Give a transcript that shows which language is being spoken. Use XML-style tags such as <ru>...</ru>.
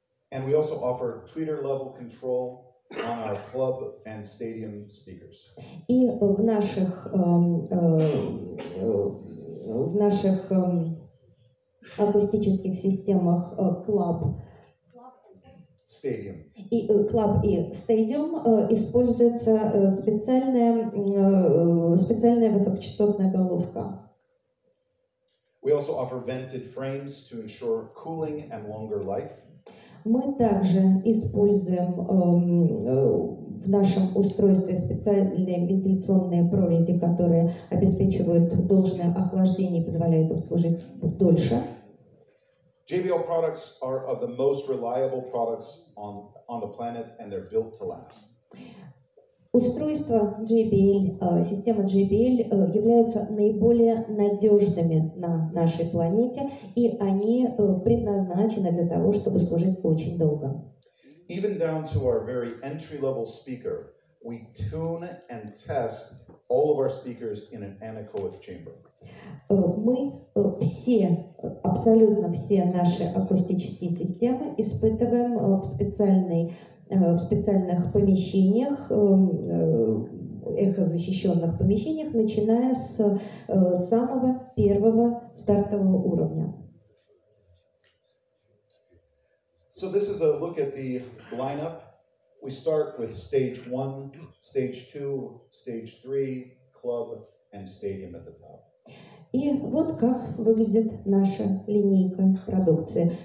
<en>And we also offer tweeter level control on our club and stadium speakers.</en> <ru>И в наших акустических системах club stadium. И club и stadium используется специальная высокочастотная головка.</ru> <en>We also offer vented frames to ensure cooling and longer life.</en> <ru>Мы также используем в нашем устройстве специальные вентиляционные прорези, которые обеспечивают должное охлаждение и позволяют им служить дольше.</ru> <en>JBL products are of the most reliable products on the planet, and they're built to last.</en> <ru>Устройства JBL, система JBL являются наиболее надежными на нашей планете, и они предназначены для того, чтобы служить очень долго.</ru> <en>Even down to our very entry-level speaker, we tune and test all of our speakers in an anechoic chamber.</en> <ru>Мы все, абсолютно все наши акустические системы испытываем в специальных помещениях, эхозащищенных помещениях, начиная с самого первого стартового уровня.</ru> <en>So this is a look at the lineup. We start with stage 1, stage 2, stage 3, club and stadium at the top.</en> <ru>И вот как выглядит наша линейка продукции.</ru>